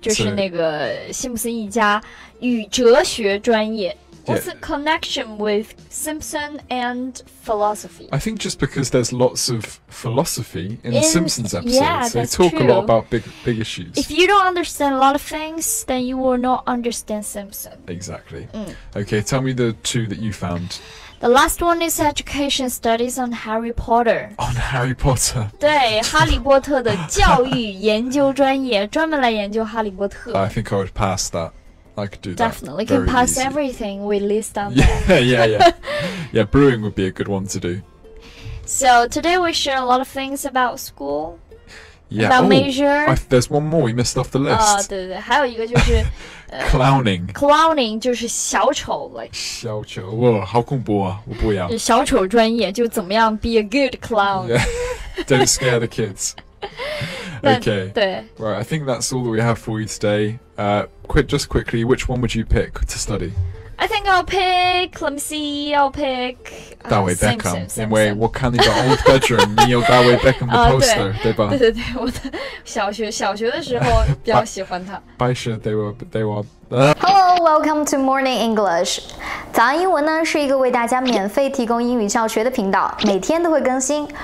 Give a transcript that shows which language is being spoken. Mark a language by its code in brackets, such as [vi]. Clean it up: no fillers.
[zh] 就是那个辛普森一家与哲学专业。 [en] What's the connection with Simpson and philosophy? I think just because there's lots of philosophy in the Simpsons episodes. Yeah, that's true. They talk a lot about big issues. If you don't understand a lot of things, then you will not understand Simpson. Exactly. Okay, tell me the two that you found. The last one is education studies on Harry Potter. On Harry Potter. [zh] 对，哈利波特的教育研究专业，专门来研究哈利波特。 [en] I think I would pass that. I could do that. Definitely can pass everything we list on. Yeah. Brewing would be a good one to do. So today we share a lot of things about school. Yeah. About major. There's one more we missed off the list. [zh] 对，还有一个就是。 [en] Clowning. [zh] Clowning 就是小丑 like, 小丑哇好恐怖啊我不要小丑专业就怎么样 be a good clown. [en] Yeah. Don't scare the kids. Okay. [zh] 对 [en] Right, I think that's all that we have for you today. Just quickly, which one would you pick to study? I think I'll pick, let me see, I'll pick... David Beckham. In way, what kind of old bedroom? 你有 David Beckham 的 poster, 对吧？ [zh] 对对对，我小学的时候比较喜欢他。白雪 they were... [en] Hello, welcome to Morning English. [zh] 早安英文呢是一个为大家免费提供英语教学的频道，每天都会更新。